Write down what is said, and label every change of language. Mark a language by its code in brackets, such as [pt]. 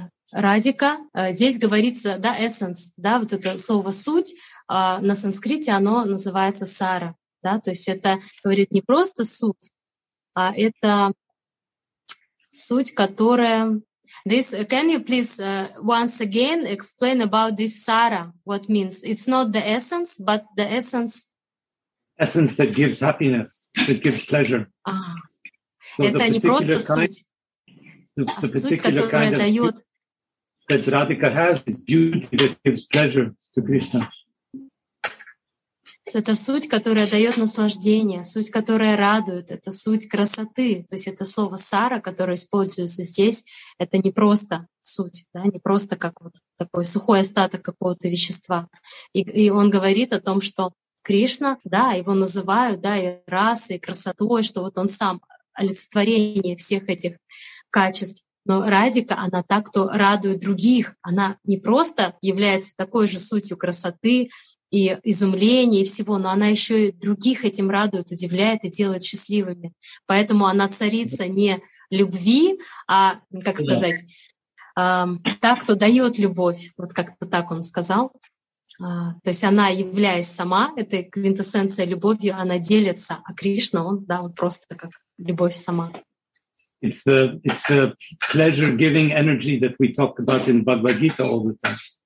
[ru] радика. Здесь говорится, да, essence, да, вот это слово суть, на санскрите оно называется сара, да, то есть это говорит не просто суть, а это суть, которая... [en] This, can you please once again explain about this sara, what means? It's not the essence, but the essence... Essence that gives happiness, that gives pleasure. [ru] Это не просто суть, а суть, которая [en] kind of [ru] дает... [en] That Radhika has is beauty that gives pleasure to Krishna. [ru] Это суть, которая дает наслаждение, суть, которая радует, это суть красоты. То есть это слово сара, которое используется здесь, это не просто суть, да, не просто как вот такой сухой остаток какого-то вещества. И он говорит о том, что Кришна, да, его называют, да, и расой, и красотой, что вот он сам олицетворение всех этих качеств. Но Радика, она та, кто радует других. Она не просто является такой же сутью красоты и изумления, и всего, но она еще и других этим радует, удивляет и делает счастливыми. Поэтому она царица не любви, а, как сказать, та, кто дает любовь. Вот как-то так он сказал. То есть она, являясь сама этой квинтэссенцией любовью, она делится, а Кришна, он, да, он просто как любовь сама. [en] It's the pleasure-giving energy that we talk about in Bhagavad Gita all the time.